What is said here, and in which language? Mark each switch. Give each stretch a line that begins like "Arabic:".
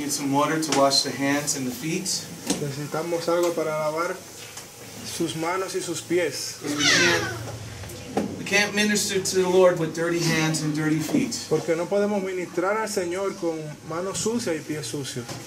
English: Water to wash the hands and the feet.
Spanish: Necesitamos algo para lavar sus manos y sus pies.
English: We can't minister to the Lord with dirty hands and dirty feet.
Spanish: Porque no podemos ministrar al Señor con manos sucias y pies sucios.